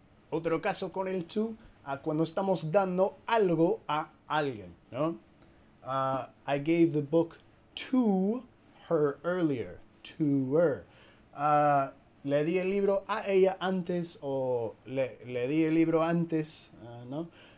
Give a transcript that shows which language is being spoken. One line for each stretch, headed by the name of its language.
Spanish: Otro caso con el to, a cuando estamos dando algo a alguien, ¿no?
English: I gave the book to her earlier, to her.
Spanish: Le di el libro a ella antes o le di el libro antes, ¿no?